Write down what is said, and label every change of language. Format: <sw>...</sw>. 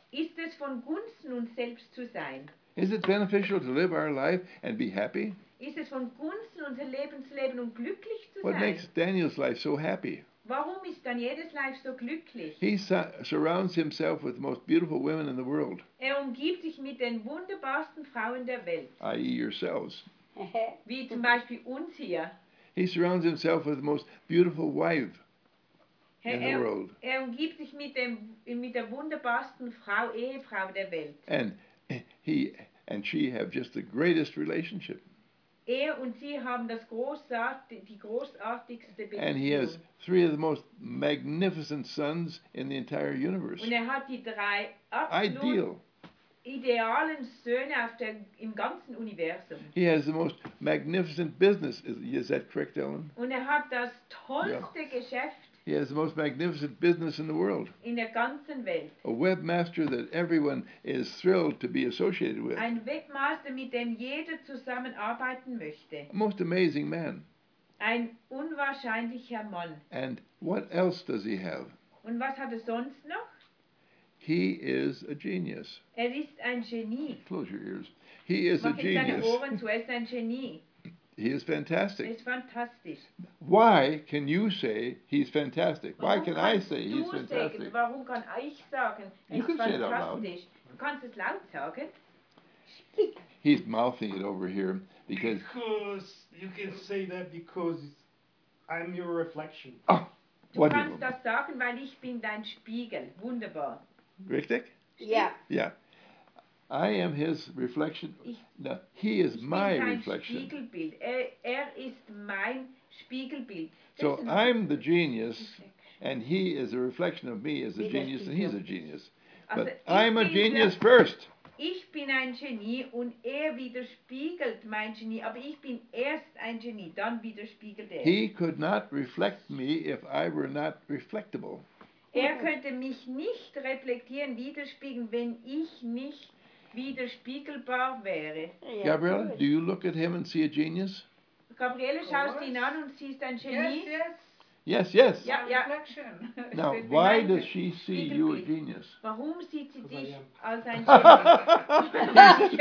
<de>Ist es von Gunsten, uns selbst zu sein?</de> <en>Is it beneficial to live our life and be happy?</en> <de>Ist es von Gunsten, unser Leben zu leben und glücklich zu sein?</de> <en>What makes Daniel's life so happy?</en> <de>Warum ist Danieles Leben so glücklich?</de> <en>He surrounds himself with the most beautiful women in the world.</en> <de>Er umgibt sich mit den wunderbarsten Frauen der Welt.</de> <en>I.e. yourselves.</en> <de>Wie zum Beispiel uns hier.</de> <en>He surrounds himself with the most beautiful wife. In the world.</en> <de>Er umgibt sich mit der wunderbarsten Frau, Ehefrau der Welt.</de> <en>And he and she have just the greatest relationship.</en> <de>Er und sie haben das die großartigste Beziehung.</de> <en>And he has three of the most magnificent sons in the entire universe.</en> <de>Und er hat die drei absolut idealen Söhne im ganzen Universum.</de> <en>He has the most magnificent business. Is that correct, Ellen?</en> <de>Und er hat das tollste Geschäft.</de> <en>He has the most magnificent business in the world.</en> <de>In der ganzen Welt.</de> <en>A webmaster that everyone is thrilled to be associated with.</en> <de>Ein Webmaster, mit dem jeder zusammenarbeiten möchte.</de> <en>A most amazing man.</en> <de>Ein unwahrscheinlicher Mann.</de> <en>And what else does he have?</en> <de>Und was hat er sonst noch?</de> <en>He is a genius.</en> <de>Er ist ein Genie.</de> <en>Close your ears. He is a genius.</en> <de>Mach jetzt deine Ohren zu, er ist ein Genie.</de> <en>He is fantastic.</en> <de>Ist fantastisch.</de> <en>Why can you say he's fantastic?</en> <de>Warum</de> <en>Why can I say he's fantastic?</en> <de>Warum kann ich sagen,</de> <en>you can</en> <de>fantastisch.</de> <en>Say it out loud.</en> <de>Du kannst es laut sagen.</de> <en>He's mouthing it over here because... Because you can say that because I'm your reflection. Oh,</en> <de>du</de> <en>wonderful.</en> <de>Kannst das sagen, weil ich bin dein Spiegel. Wunderbar. Richtig?</de> <en>Yeah. Yeah. I am his reflection. No, he is my reflection.</en> <de>Spiegelbild. Er ist mein Spiegelbild.</de> <en>So I'm the genius, and he is a reflection of me as a genius, and he's a genius. But I'm a genius first.</en> <de>Ich bin ein Genie und er widerspiegelt mein Genie, aber ich bin erst ein Genie, dann widerspiegelt er.</de> <en>He could not reflect me if I were not reflectable.</en> <de>Er könnte mich nicht reflektieren, widerspiegeln, wenn ich nicht widerspiegelbar wäre.</de> <en>Yeah, Gabriele, do you look at him and see a genius?</en> <de>Gabriele, schaust ihn an und siehst ein Genie?</de> <en>Yes, yes. Yes, yes.</en> <de>Ja,</de> <en>reflection. Now, why does she see you a genius?</en> <de>Warum sieht sie dich als ein Genie?</de>